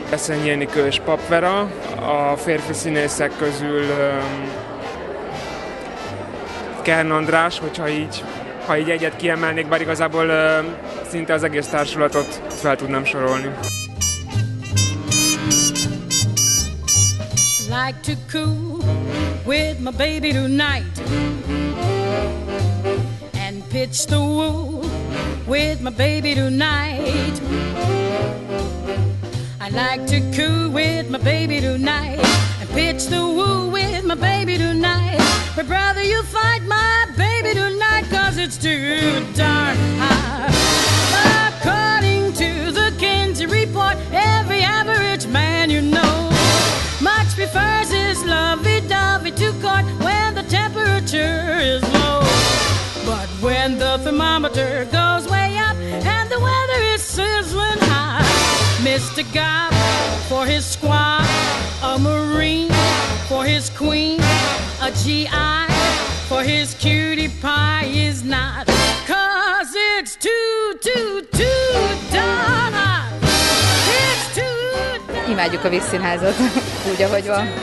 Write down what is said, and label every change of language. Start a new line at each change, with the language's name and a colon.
Hungarian: Eszenyi Enikő és Pap Vera. A férfi színészek közül Kern András, hogyha így, ha így egyet kiemelnék, bár igazából szinte az egész társulatot fel tudnám sorolni.
English: Like to cool with my baby tonight and pitch the woo with my baby tonight. I'd like to coo with my baby tonight and pitch the woo with my baby tonight. But brother, you fight my baby tonight, 'cause it's too darn hot. According to the Kinsey report, every average man you know much prefers his lovey-dovey to court when the temperature is low. But when the thermometer goes way up and the weather is sizzling hot, Mr. Gob for his squad, a Marine for his queen, a GI for his cutie pie is not. 'Cause it's too, too, too darn hot. It's too darn hot.
Hungarian: Imádjuk a Vígszínházat, úgy ahogy van.